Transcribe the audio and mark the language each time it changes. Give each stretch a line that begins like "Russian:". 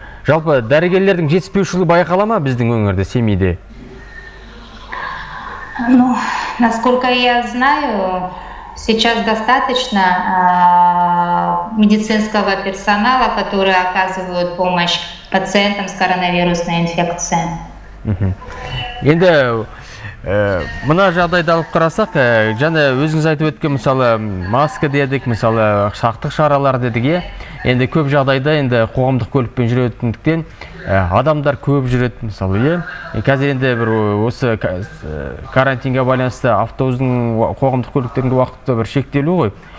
Kazakh: Жалпы дәрігерлердің жетіспеушілігі байқала ма біздің өңірде, Семейде?
Russian: Ну, насколько я знаю, сейчас достаточно медицинского персонала, который оказывает помощь пациентам с коронавирусной инфекцией.
Kazakh: Енді мына жағдайды алып қарасақ, жаңа өзіңіз айтып өткен, мысалы, маска дедік, мысалы, сақтық шаралары дедік, енді көп жағдайда енді қоғамдық көлікпен жүретіндіктен адамдар көп жүреді, мысалы, қазір енді бір осы карантинге байланысты автобустың қоғамдық көліктерінде уақыты бір шектеулі ғой.